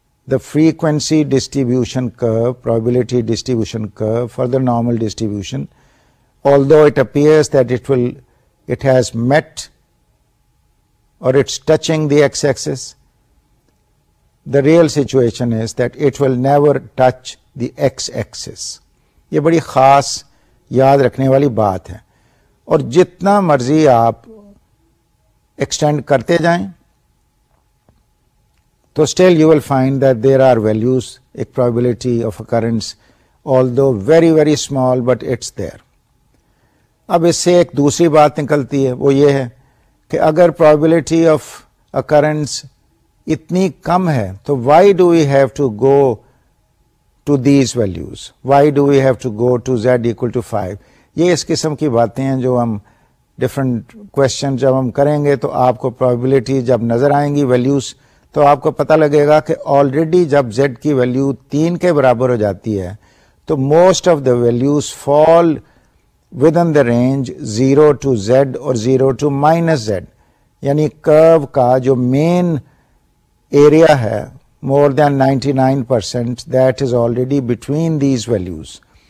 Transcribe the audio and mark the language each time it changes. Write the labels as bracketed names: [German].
[English] The frequency distribution curve, probability distribution curve for the normal distribution, although it appears that it has met or it's touching the x axis, the real situation is that it will never touch the x-axis. [Urdu] یہ بڑی خاص یاد رکھنے والی بات ہے. اور جتنا مرضی آپ extend کرتے جائیں تو [English] still you will find that there are values, a probability of occurrence, although very very small, but it's there. [Urdu] اب اس سے ایک دوسری بات نکلتی ہے, وہ یہ ہے کہ اگر probability of occurrence اتنی کم ہے تو [English] Why do we have to go to these values, why do we have to go to Z equal to 5. [Urdu] یہ اس قسم کی باتیں ہیں جو ہم ڈفرنٹ کوشچن جب ہم کریں گے تو آپ کو پرابیبلٹی جب نظر آئیں گی ویلیوز تو آپ کو پتہ لگے گا کہ آلریڈی جب زیڈ کی ویلیو 3 کے برابر ہو جاتی ہے تو [English] most of the values fall within the range 0 to Z or 0 to minus Z, [Urdu] یعنی کرو کا جو مین ایریا ہے [English] More than 99% that is already between these values.